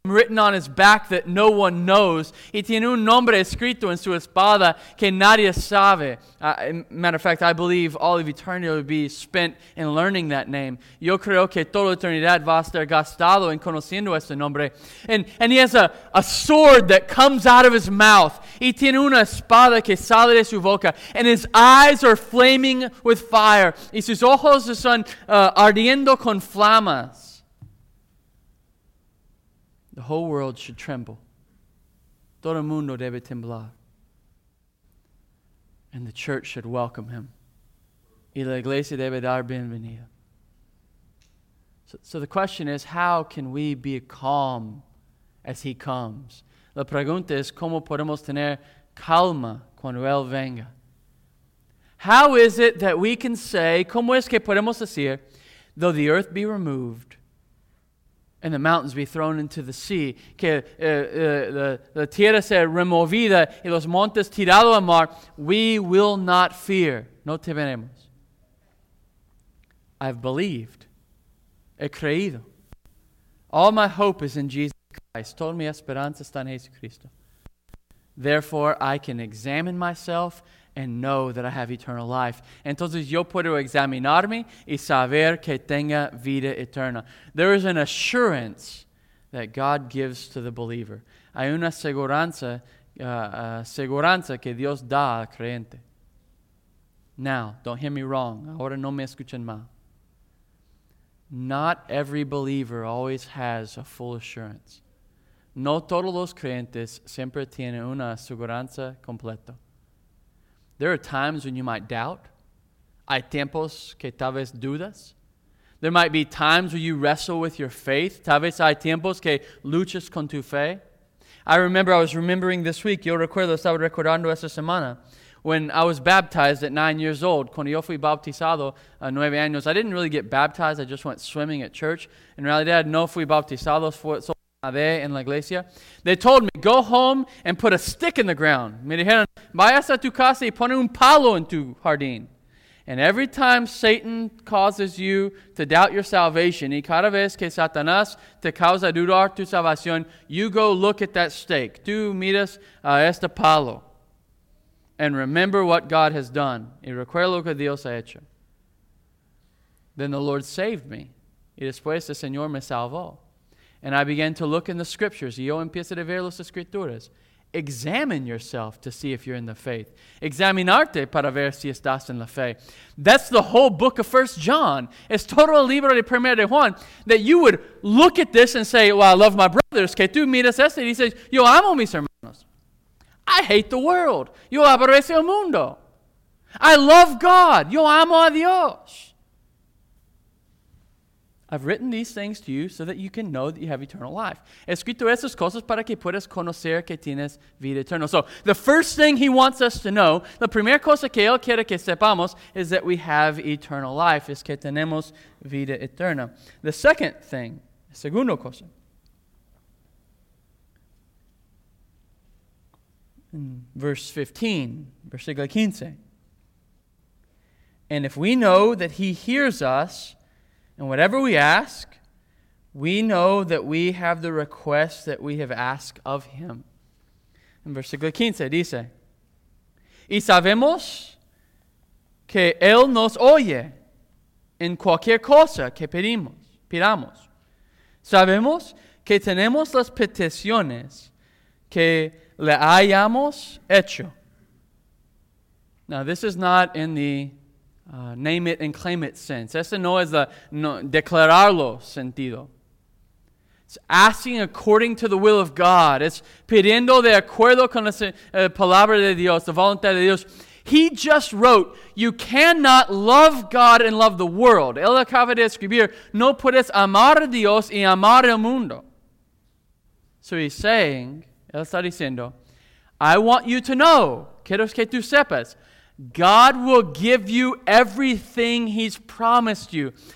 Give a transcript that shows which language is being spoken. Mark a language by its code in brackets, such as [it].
[en] written on his back that no one knows. [es] Y tiene un nombre escrito en su espada que nadie sabe. [en] Matter of fact, I believe all of eternity will be spent in learning that name. [es] Yo creo que toda eternidad va a estar gastado en conociendo ese nombre. [en] And he has a sword that comes out of his mouth. [es] Y tiene una espada que sale de su boca. [en] And his eyes are flaming with fire. [es] Y sus ojos son ardiendo con flamas. [en] The whole world should tremble. [es] Todo el mundo debe temblar. [en] And the church should welcome him. [es] Y la iglesia debe dar bienvenida. [en] So the question is, how can we be calm as he comes? [es] La pregunta es, ¿cómo podemos tener calma cuando él venga? [en] How is it that we can say, [es] ¿cómo es que podemos decir, [en] though the earth be removed, and the mountains be thrown into the sea, [es] que la tierra sea removida y los montes tirado al mar, [en] we will not fear. [es] No temeremos. [en] I've believed. [es] He creído. [en] All my hope is in Jesus Christ. [es] Toda mi esperanza está en Jesucristo. [en] Therefore, I can examine myself and know that I have eternal life. [es] Entonces yo puedo examinarme y saber que tenga vida eterna. [en] There is an assurance that God gives to the believer. [es] Hay una seguranza que Dios da al creyente. [en] Now, don't hear me wrong. [es] Ahora no me escuchen mal. [en] Not every believer always has a full assurance. [es] No todos los creyentes siempre tienen una seguranza completa. [en] There are times when you might doubt. [es] Hay tiempos que tal vez dudas. [en] There might be times where you wrestle with your faith. [es] Tal vez hay tiempos que luchas con tu fe. [en] I was remembering this week, [es] yo recuerdo, estaba recordando esta semana, [en] when I was baptized at 9 years old. [es] Cuando yo fui bautizado a 9 años, [en] I didn't really get baptized. I just went swimming at church. [es] En realidad, no fui bautizado, solo nadé en la iglesia. [en] They told me, go home and put a stick in the ground. [es] Me dijeron, vayas a tu casa y pon un palo en tu jardín. [en] And every time Satan causes you to doubt your salvation, [es] y cada vez que Satanás te causa dudar tu salvación, [en] you go look at that stake. [es] Tú miras a este palo. [en] And remember what God has done. [es] Y recuerda lo que Dios ha hecho. [en] Then the Lord saved me. [es] Y después el Señor me salvó. And I began to look in the scriptures. Yo empiezo a ver las escrituras. [en] Examine yourself to see if you're in the faith. [es] Examinarte para ver si estás en la fe. [en] That's the whole book of 1 John. [es] Es todo el libro de 1 Juan. [en] That you would look at this and say, well, I love my brothers. [es] Que tú miras este. Y dices, yo amo mis hermanos. [en] I hate the world. [es] Yo aborrece el mundo. [en] I love God. [es] Yo amo a Dios. [en] I've written these things to you so that you can know that you have eternal life. [es] He escrito esas cosas para que puedas conocer que tienes vida eterna. [en] So the first thing he wants us to know, [es] la primera cosa que él quiere que sepamos [en] is that we have eternal life. [es] Es que tenemos vida eterna. [en] The second thing, [es] segunda cosa. Versículo 15. [en] And if we know that he hears us, and whatever we ask, we know that we have the request that we have asked of him. [es] En versículo 15 dice, y sabemos que él nos oye en cualquier cosa que pidamos. Sabemos que tenemos las peticiones que le hayamos hecho. [en] Now, this is not in the name it and claim it sense. [es] Eso no es declararlo sentido. [en] It's asking according to the will of God. [es] It's pidiendo de acuerdo con la palabra de Dios, la voluntad de Dios. [en] He just wrote, you cannot love God and love the world. [es] Él acaba de escribir, no puedes amar a Dios y amar el mundo. [en] So he's saying, [es] él está diciendo, [en] I want you to know, [es] quiero que tú sepas, [en] God will give you everything he's promised you.